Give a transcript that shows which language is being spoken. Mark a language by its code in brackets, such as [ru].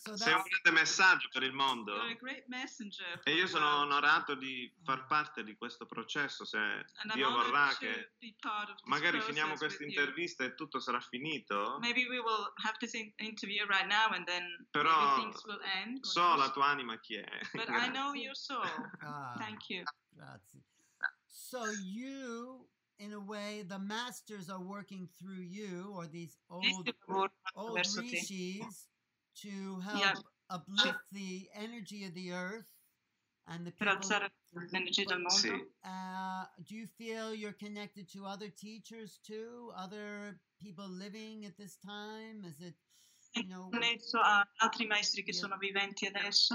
[it] So sei un grande messaggio per il mondo. [en] You're a great messenger. [it] E io sono onorato di far parte di questo processo, se Dio vorrà che magari finiamo questa intervista e tutto sarà finito. [en] Maybe we will have this interview right now and then [it] però [en] things will end. [it] So la tua anima chi è. [en] But I know your soul. Thank you. [it] Grazie. [en] So you, in a way, the masters are working through you, or these old rishis, to help uplift the energy of the earth and the people. Do you feel you're connected to other teachers too, other people living at this time? Is it, you know? [it] Connesso a altri maestri che sono viventi adesso?